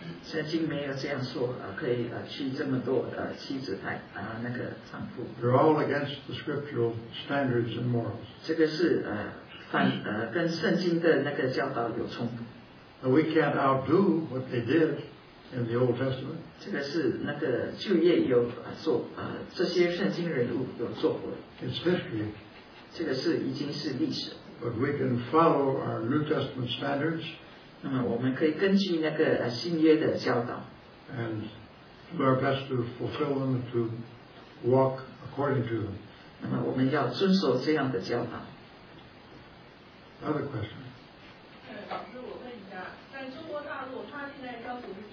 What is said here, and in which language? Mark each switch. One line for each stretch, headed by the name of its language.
Chinese: 圣经没有这样说，可以娶这么多妻子那个丈夫。
English: They're all against the scriptural standards and morals.
Chinese: 这个是跟圣经的那个教导有冲突。
English: Now we can't outdo what they did. In the Old Testament,
Chinese: 这个是那个旧约有做这些圣经人物有做过。
English: It's history.
Chinese: 这个是已经是历史。
English: But we can follow our New Testament standards.
Chinese: 那么我们可以根据那个新约的教导。
English: And do our best to fulfill them to walk according to them.
Chinese: 那么我们要遵守这样的教导。
English: Other question.
Chinese: 老师，我问一下，在中国大陆，他现在要求。